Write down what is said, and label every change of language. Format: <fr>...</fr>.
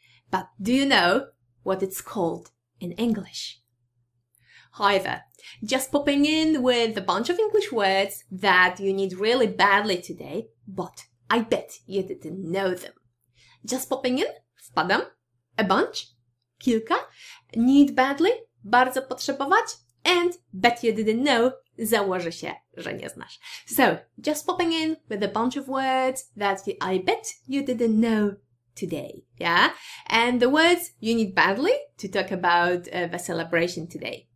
<en>But do you know what it's called in English? Hi there. Just popping in with a bunch of English words that you need really badly today, but I bet you didn't know them. Just popping in,</en> <pl>wpadam,</pl> <en>a bunch,</en> <pl>kilka,</pl> <en>need badly,</en> <pl>bardzo potrzebować,</pl> <en>and bet you didn't know,</en> <pl>założę się, że nie znasz.</pl> <en>So, just popping in with a bunch of words that I bet you didn't know today, yeah? And the words you need badly to talk about the celebration today.</en>